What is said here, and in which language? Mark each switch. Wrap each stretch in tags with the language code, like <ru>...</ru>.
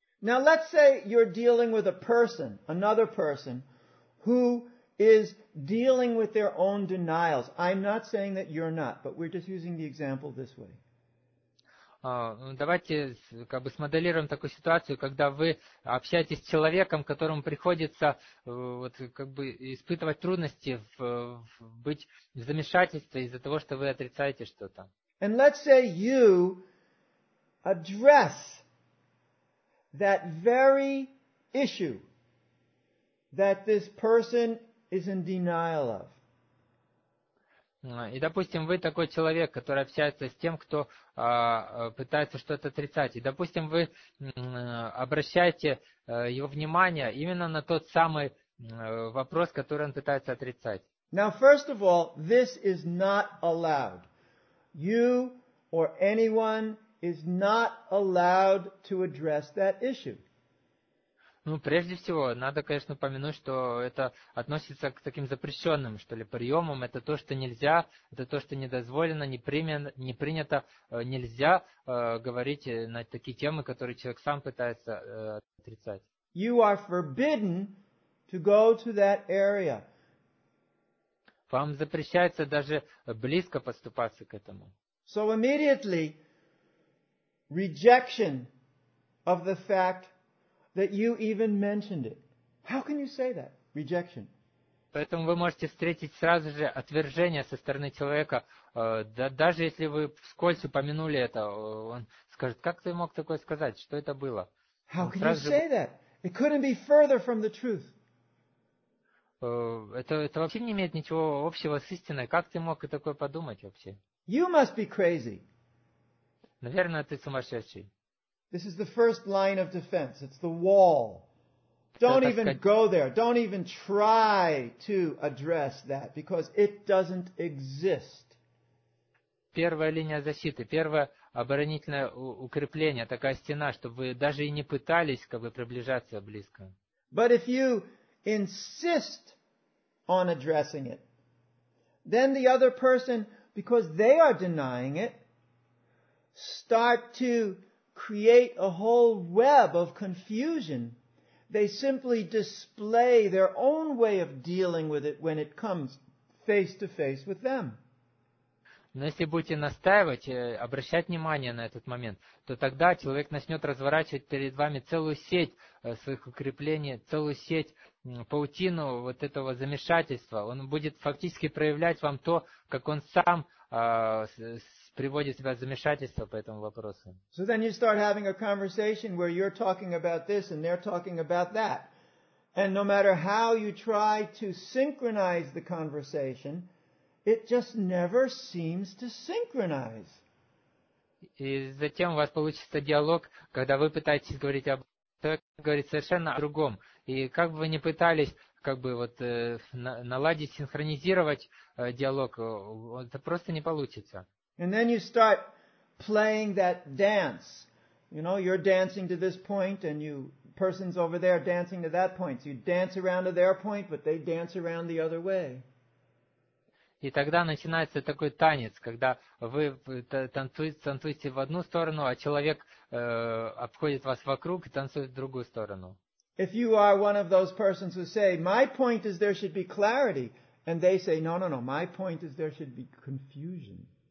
<en>Now let's say you're dealing with a person, another person, who is dealing with their own denials. I'm not saying that you're not, but we're just using the example this way.</en> <ru>Давайте как бы смоделируем такую ситуацию, когда вы общаетесь с человеком, которому приходится вот как бы испытывать трудности быть в замешательстве из-за того, что вы отрицаете что-то.</ru> <en>And let's say you address that very issue that this person is in denial of.</en> <ru>И допустим, вы такой человек, который общается с тем, кто пытается что-то отрицать. И допустим, вы обращаете его внимание именно на тот самый вопрос, который он пытается отрицать.</ru> <en>Now, first of all, this is not allowed. You or anyone is not allowed to address that issue.</en> <ru>Ну, прежде всего, надо, конечно, упомянуть, что это относится к таким запрещенным, что ли, приемам. Это то, что нельзя, это то, что недозволено, не принято, нельзя говорить на такие темы, которые человек сам пытается отрицать.</ru> <en>You are forbidden to go to that area.</en> <ru>Вам запрещается даже близко подступаться к этому.</ru> <en>So immediately, rejection of the fact that you even mentioned it. How can you say that? Rejection.</en> <ru>Поэтому вы можете встретить сразу же отвержение со стороны человека. Даже если вы вскользь упомянули это, он скажет, как ты мог такое сказать? Что это было?</ru> <en>How can you say that? It couldn't be further from the truth.</en> <ru>Это вообще не имеет ничего общего с истиной. Как ты мог и такое подумать вообще?</ru> <en>You must be crazy.</en> <ru>Наверное, ты сумасшедший.</ru> <en>This is the first line of defense. It's the wall. Don't even go there. Don't even try to address that because it doesn't exist.</en> <ru>Первая линия защиты, первое оборонительное укрепление, такая стена, чтобы вы даже и не пытались как бы приближаться близко.</ru> <en>But if you insist on addressing it, then the other person, because they are denying it, start to create a whole web of confusion. They simply display their own way of dealing with it when it comes face to face with them.</en> <ru>Но если будете настаивать, обращать внимание на этот момент, то тогда человек начнет разворачивать перед вами целую сеть своих укреплений, целую сеть, паутину вот этого замешательства. Он будет фактически проявлять вам то, как он сам приводит себя в замешательство по этому вопросу.</ru> <en>So then you start having a conversation where you're talking about this and they're talking about that. And no matter how you try to synchronize the conversation, it just never seems to synchronize.</en> <ru>И затем у вас получится диалог, когда вы пытаетесь говорить об этом, говорить совершенно о другом. И как бы вы ни пытались как бы вот наладить, синхронизировать диалог, это просто не получится.</ru> <en>And then you start playing that dance. You know, you're dancing to this point and you person's over there dancing to that point. So you dance around to their point, but they dance around the other way.</en> <ru>И тогда начинается такой танец, когда вы танцуете в одну сторону, а человек обходит вас вокруг и танцует в другую сторону.</ru> <en>If you are one of those persons who say, my point is there should be clarity, and they say, no, my point is there should be confusion.</en>